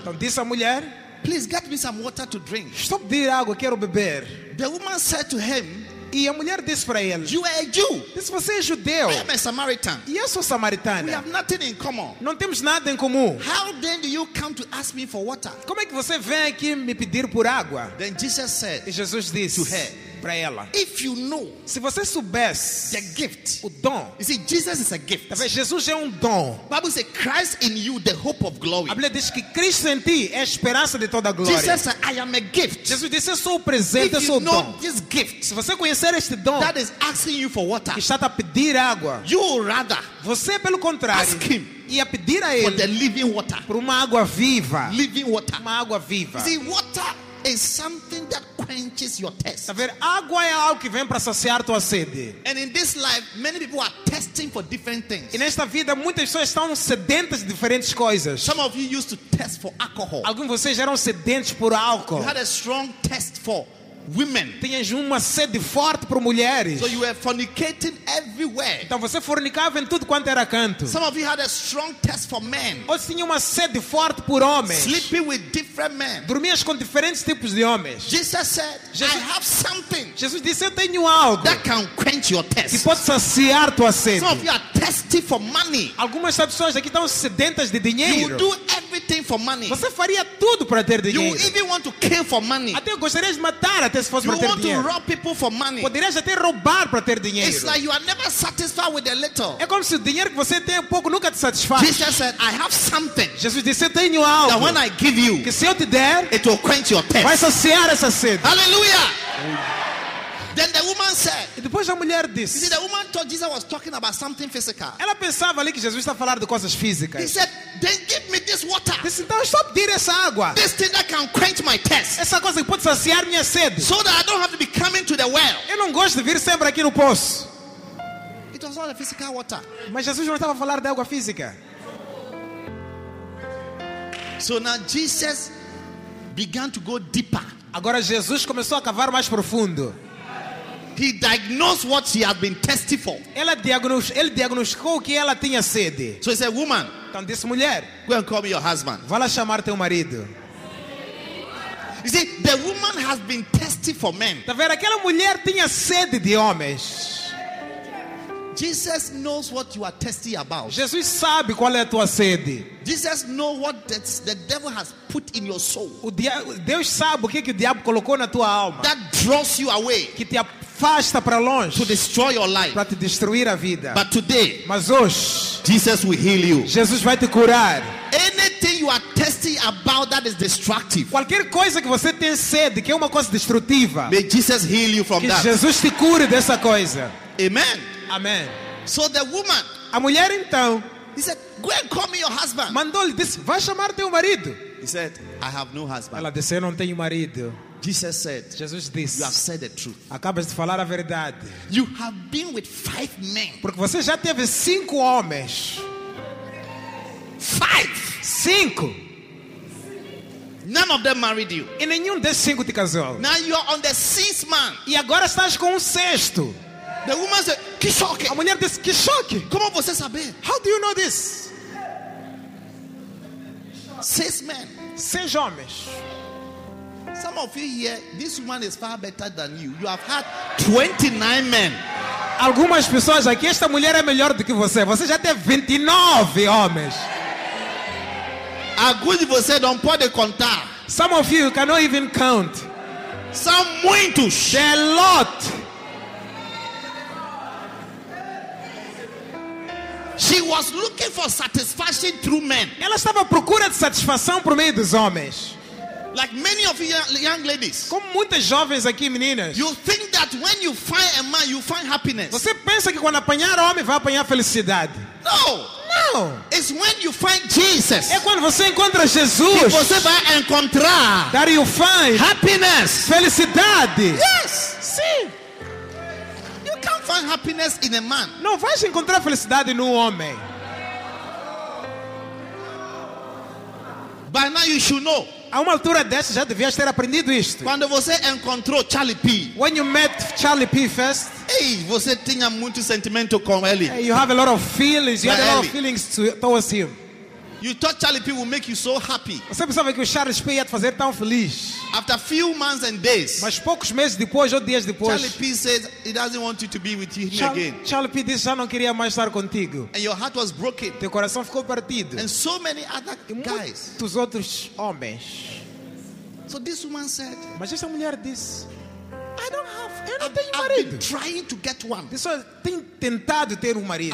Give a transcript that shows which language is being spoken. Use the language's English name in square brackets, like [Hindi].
[Portuguese] Então disse à mulher. [English] Please get me some water to drink. [Portuguese] Stop de água, quero beber. [English] The woman said to him. [Portuguese] E a mulher disse para ele: [English] "You are a Jew." [Portuguese] Disse, você é judeu. [English] "I am a Samaritan." [Portuguese] E eu sou samaritana. [English] "We have nothing in common." [Portuguese] Não temos nada em comum. [English] "How then do you come to ask me for water?" [Portuguese] Como é que você vem aqui me pedir por água? [English] Then Jesus said, [Portuguese] e Jesus disse [English] to her, [Portuguese] para ela, [English] "If you know," [Portuguese] se você soubesse, [English] "the gift," [Portuguese] o dom. [English] You see, Jesus is a gift. [Portuguese] Tá vendo? Jesus é dom. [English] Bible says, "Christ in you, the hope of glory." [Portuguese] A Bíblia diz que Cristo em ti é a esperança de toda a glória. [English] Jesus said, "I am a gift." [Portuguese] Jesus disse, eu sou o presente, [English] if [Portuguese] eu sou [English] you know [Portuguese] dom. [English] This gift, [Portuguese] se você conhecer este dom, [English] that is asking you for water, [Portuguese] que está a pedir água, [English] you rather, [Portuguese] você pelo contrário, [English] ask him, [Portuguese] ia pedir a ele, [English] for the living water, [Portuguese] por uma água viva, [English] living water, [Portuguese] uma água viva. [English] You see, water is something that quenches your thirst. [Portuguese] A ver, água é algo que vem para saciar tua sede. [English] And in this life, many people are thirsting for different things. [Portuguese] E nesta vida, muitas pessoas estão sedentas de diferentes coisas. [English] Some of you used to thirst for alcohol. [Portuguese] Alguns de vocês eram sedentos por álcool. [English] You had a strong thirst for women. [Portuguese] Tinhas uma sede forte por mulheres. [English] So you were fornicating everywhere. [Portuguese] Então você fornicava em tudo quanto era canto. [English] Some of you had a strong thirst for men. [Portuguese] Outros tinham uma sede forte por homens. [English] Sleeping with different men. [Portuguese] Dormias com diferentes tipos de homens. [English] Jesus said, "Jesus, I have something." [Portuguese] Jesus disse, eu tenho algo [English] that can quench your thirst. [Portuguese] Que pode saciar tua sede. [English] Some of you are thirsty for money. [Portuguese] Algumas pessoas aqui estão sedentas de dinheiro. [English] You will do everything for money. [Portuguese] Você faria tudo para ter dinheiro. [English] You even want to kill for money. [Portuguese] Até gostarias de matar. [English] You want [Portuguese] dinheiro. [English] To rob people for money. [Portuguese] Poderias até roubar para ter dinheiro. [English] It's like you are never satisfied with a little. [Portuguese] É como se o dinheiro que você tem pouco nunca te satisfaz. [English] Jesus said, "I have something." [Portuguese] Jesus disse, eu tenho algo. [English] That when I give you, [Portuguese] que se eu te der, [English] it will quench your thirst. [Portuguese] Vai saciar essa sede. [English] Hallelujah. Then the woman said, [Portuguese] e depois a mulher disse, [English] you see, the woman thought Jesus was talking about something physical. [Portuguese] Ela pensava ali que Jesus estava a falar de coisas físicas. [English] He said, "Then give me this water." [Portuguese] Disse, então só pedir essa água. [English] This thing that can quench my thirst. [Portuguese] Essa coisa que pode saciar minha sede. [English] So that I don't have to be coming to the well. [Portuguese] Eu não gosto de vir sempre aqui no poço. [English] It was not a physical water. [Portuguese] Mas Jesus não estava a falar de água física. [English] So now Jesus began to go deeper. [Portuguese] Agora Jesus começou a cavar mais profundo. [English] He diagnosed what she had been thirsty for. [Portuguese] Ele diagnosticou que ela tinha sede. [English] So he said, "Woman," [Portuguese] então disse, mulher, [English] "go and call me your husband." [Portuguese] Vá lá chamar teu marido. [English] You see, the woman has been thirsty for men. [Portuguese] Tá vendo? Aquela mulher tinha sede de homens. [English] Jesus knows what you are thirsty about. [Portuguese] Jesus sabe qual é a tua sede. [English] Jesus knows what the devil has put in your soul. [Portuguese] Deus sabe o que o diabo colocou na tua alma. [English] That draws you away. [Portuguese] Que te afasta para longe. [English] To destroy your life. [Portuguese] Para te destruir a vida. [English] But today, [Portuguese] mas hoje, [English] Jesus will heal you. [Portuguese] Jesus vai te curar. [English] Anything you are thirsty about that is destructive. [Portuguese] Qualquer coisa que você tem sede, que é uma coisa destrutiva. [English] May Jesus heal you from [Portuguese] que [English] that. [Portuguese] Jesus te cure dessa coisa. [English] Amen. [Portuguese] Amen. [English] So the woman, [Portuguese] a mulher então, [English] he said, "Go and call me your husband." [Portuguese] Mandou-lhe, disse, vai chamar teu marido. [English] He said, "I have no husband." [Portuguese] Ela disse, eu não tenho marido. [English] Jesus said, [Portuguese] Jesus disse, [English] "You have said the truth." [Portuguese] Acabas de falar a verdade. [English] You have been with 5 men. [Portuguese] Porque você já teve 5 homens. [English] 5. [Portuguese] 5. [English] None of them married you. [Portuguese] E nenhum desses 5 te casou. [English] Now you are on the 6th man. [Portuguese] E agora estás com o 6º. [English] The woman said, [Portuguese] "Que choque!" A mulher disse, "Que choque!" Como você sabe? [English] How do you know this? 6 men. [Portuguese] 6 homens. [English] Some of you here, this woman is far better than you. You have had 29 men. [Portuguese] Algumas pessoas aqui, esta mulher é melhor do que você. Você já teve 29 homens. Alguns de vocês não podem contar. [English] Some of you cannot even count. [Portuguese] São muitos. [English] There are a lot. She was looking for satisfaction through men. [Portuguese] Ela estava à procura de satisfação por meio dos homens. [English] Like many of you young ladies. [Portuguese] Como muitas jovens aqui, meninas. [English] You think that when you find a man, you find happiness. [Portuguese] Você pensa que quando apanhar homem vai apanhar felicidade? [English] No. No. It's when you find Jesus. [Portuguese] É quando você encontra Jesus. Que você vai encontrar. [English] That you find happiness. [Portuguese] Felicidade. [English] Yes. [Portuguese] Sim. [English] You can't find happiness in a man. [Portuguese] Não vai encontrar felicidade no homem. [English] By now you should know. [Portuguese] A uma altura dessa já devias ter aprendido isto. Quando você encontrou Charlie P. [English] When you met Charlie P. first. [Portuguese] Ei, você tinha muito sentimento com ele. [English] You have a lot of feelings. You had a lot of feelings towards him. You thought Charlie P will make you so happy. [Portuguese] Você pensava que o Charlie P ia te fazer tão feliz. [English] After few months and days. [Portuguese] Mas poucos meses depois ou dias depois. [English] Charlie P says he doesn't want you to be with him again. [Portuguese] Charlie P disse já não queria mais estar contigo. [English] And your heart was broken. [Portuguese] Teu coração ficou partido. [English] And so many other guys. [Portuguese] Muitos outros homens. [English] So this woman said. [Portuguese] Mas essa mulher disse. [English] I don't have anything, marido. I've been trying to get one. [Portuguese] Isso tem tentado ter marido.